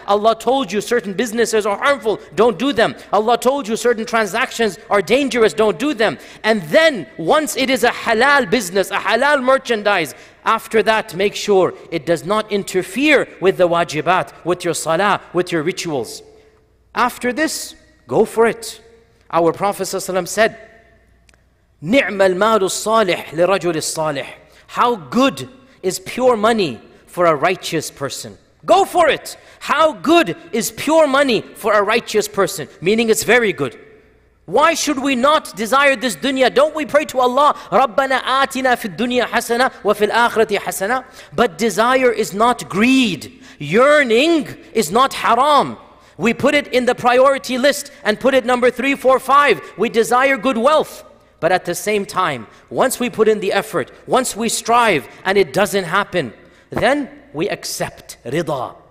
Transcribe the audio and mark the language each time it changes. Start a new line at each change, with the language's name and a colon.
English: Allah told you certain businesses are harmful, don't do them. Allah told you certain transactions are dangerous, don't do them. And then once it is a halal business, a halal merchandise, after that, make sure it does not interfere with the wajibat, with your salah, with your rituals. After this, go for it. Our Prophet ﷺ said,
Arabic: نِعْمَ الْمَالُ الصَّالِحِ لِرَجُلِ الصَّالِحِ.
English: How good is pure money for a righteous person? Go for it! How good is pure money for a righteous person? Meaning it's very good. Why should we not desire this dunya? Don't we pray to Allah,
Arabic: رَبَّنَا آتِنَا فِي الدُّنْيَا حَسَنًا وَفِي الْآخِرَةِ حَسَنًا.
English: But desire is not greed. Yearning is not haram. We put it in the priority list and put it number 3, 4, 5. We desire good wealth. But at the same time, once we put in the effort, once we strive and it doesn't happen, then we accept rida.